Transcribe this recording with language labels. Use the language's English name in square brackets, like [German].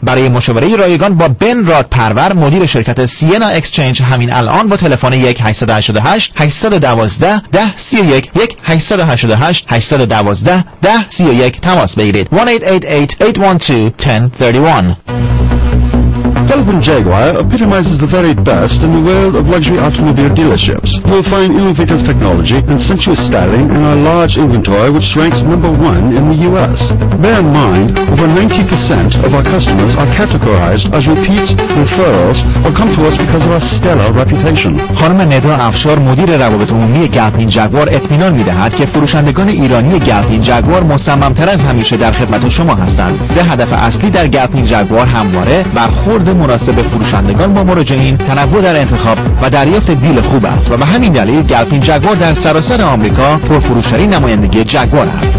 [Persian] برای مشاوره رایگان با بن راد پرور، مدیر شرکت سینا اکسچنج، همین الان با تلفن 1-888-812-1031 1-888-812-1031 تماس بگیرید. 1-888-812-1031 [English] Delvin Jaguar epitomizes the very best in the world of luxury automobile dealerships. You will find innovative technology and sensuous styling in our large inventory, which ranks number one in the U.S. Bear in mind, over 90% of our customers are categorized as repeat referrals or come to us because of our stellar reputation. [Persian] خانم ندا افشار مدیر روابط عمومی گلپین جگوار اطمینان می‌دهد که فروشندگان ایرانی گلپین جگوار مصمم‌تر از همیشه در خدمت شما هستند. سه هدف اصلی در گلپین جگوار همواره برخورد مناسب فروشندگان با مراجعین، تنوع در انتخاب و دریافت دیل خوب است و به همین دلیل گلپین جگوار در سراسر آمریکا پرفروش‌ترین نمایندگی جگوار است.